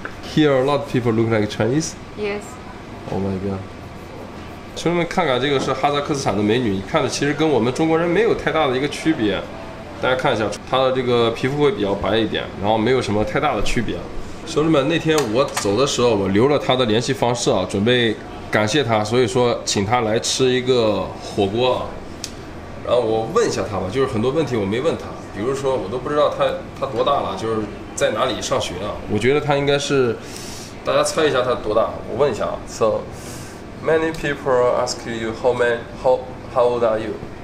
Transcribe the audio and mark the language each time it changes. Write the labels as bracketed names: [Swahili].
[English] Here, a lot of people look like Chinese. Yes. Oh my god. [Chinese] 兄弟们，看看这个是哈萨克斯坦的美女，你看的其实跟我们中国人没有太大的一个区别。大家看一下，她的这个皮肤会比较白一点，然后没有什么太大的区别。兄弟们，那天我走的时候，我留了她的联系方式啊，准备感谢她，所以说请她来吃一个火锅。然后我问一下她吧，就是很多问题我没问她，比如说我都不知道她多大了，就是在哪里上学啊？我觉得她应该是，大家猜一下她多大？我问一下啊 ，So。 [English] Many people ask you how old are you?